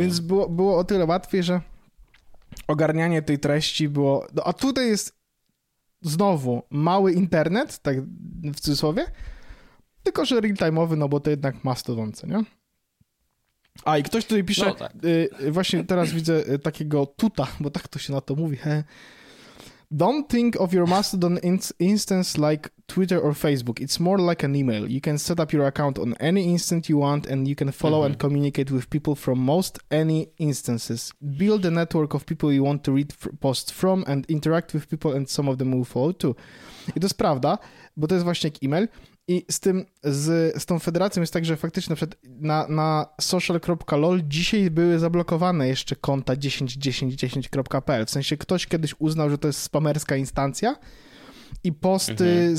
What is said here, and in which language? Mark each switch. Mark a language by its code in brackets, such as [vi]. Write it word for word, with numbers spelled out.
[pl] Więc było, było o tyle łatwiej, że ogarnianie tej treści było... No, a tutaj jest znowu mały internet, tak w cudzysłowie, tylko że real-time'owy, no bo to jednak Mastodon, nie? A i ktoś tutaj pisze, no, tak. y, właśnie teraz widzę takiego tuta, bo tak to się na to mówi. He. [en] Don't think of your Mastodon ins- instance like Twitter or Facebook. It's more like an email. You can set up your account on any instant you want and you can follow mm-hmm. and communicate with people from most any instances. Build a network of people you want to read f- posts from and interact with people and some of them will follow too. [pl] I to jest prawda, bo to jest właśnie jak e-mail. I z tym, z, z tą federacją jest tak, że faktycznie na przykład na, na social.lol dzisiaj były zablokowane jeszcze konta dziesięć dziesięć dziesięć kropka p l. W sensie ktoś kiedyś uznał, że to jest spamerska instancja i posty mhm.